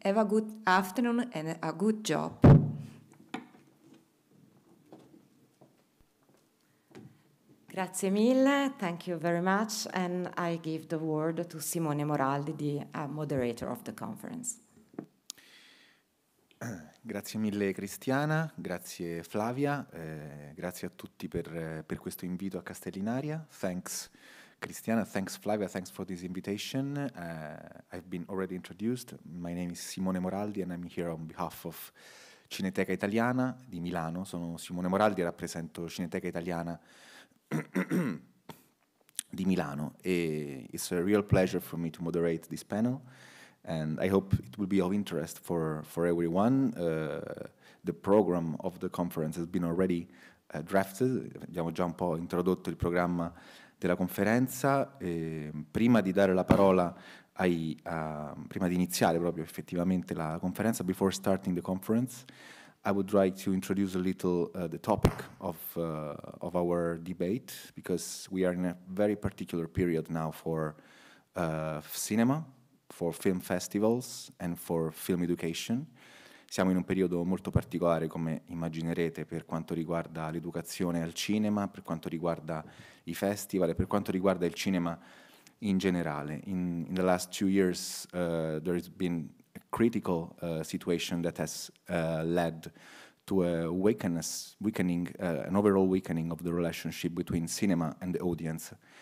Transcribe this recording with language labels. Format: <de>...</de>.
<en>Have a good afternoon and a good job.</en> <it>Grazie mille,</it> <en>thank you very much, and I give the word to Simone Moraldi, the moderator of the conference.</en> <it>Grazie mille Cristiana, grazie Flavia, grazie a tutti per questo invito a Castellinaria.</it> <en>Thanks Cristiana, thanks Flavia, thanks for this invitation. I've been already introduced. My name is Simone Moraldi and I'm here on behalf of Cineteca Italiana di Milano.</en> <it>Sono Simone Moraldi e rappresento Cineteca Italiana di Milano.</it> <en>E it's a real pleasure for me to moderate this panel. And I hope it will be of interest for everyone. The program of the conference has been already drafted.</en> <it>Abbiamo già un po' introdotto il programma della conferenza. Prima di dare la parola prima di iniziare proprio effettivamente la conferenza,</it> <en>before starting the conference, I would like to introduce a little the topic of our debate, because we are in a very particular period now for cinema, for film festivals and for film education.</en> <it>Siamo in un periodo molto particolare, come immaginerete, per quanto riguarda l'educazione al cinema, per quanto riguarda i festival e per quanto riguarda il cinema in generale.</it> <en>In the last 2 years, there has been a critical situation that has led to a weakening, an overall weakening of the relationship between cinema and the audience.</en>